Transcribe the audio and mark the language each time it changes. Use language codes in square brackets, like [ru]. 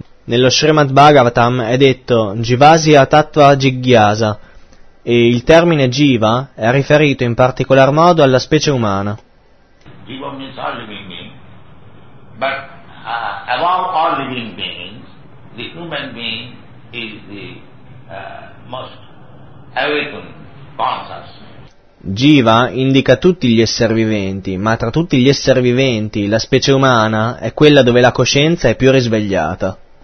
[it] Nello Srimad Bhagavatam è detto Jivasya Tattva Jigyasa e il termine Jiva è riferito in particolar modo alla specie umana. [en] Jiva means all living beings, but above all living beings, the human being is the most awakened consciousness. [it] Jiva indica tutti gli esseri viventi, ma tra tutti gli esseri viventi la specie umana è quella dove la coscienza è più risvegliata.